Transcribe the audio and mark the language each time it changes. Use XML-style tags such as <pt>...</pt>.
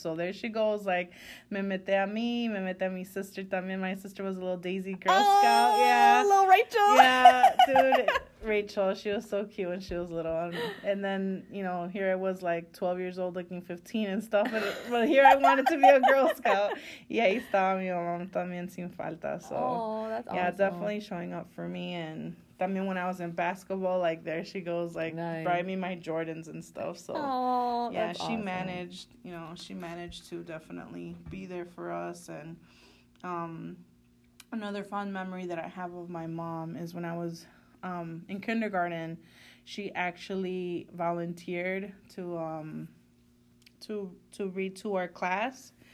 <en>So there she goes, like,</en> <es>me mete a mi</es> <en>sister también. My sister was a little Daisy Girl Scout. Yeah. Little Rachel. Yeah, dude. Rachel, she was so cute when she was little. And then, you know, here I was, like, 12 years old looking 15 and stuff. But here I wanted to be a Girl Scout.</en> <es>Y ahí estaba mi mamá también sin falta.</es> <en>So, that's awesome. Yeah, definitely showing up for me. And también when I was in basketball, like, there she goes, like, buying me my Jordans and stuff. So, she managed to definitely be there for us. And another fond memory that I have of my mom is when I was in kindergarten, she actually volunteered to read to our class.</en>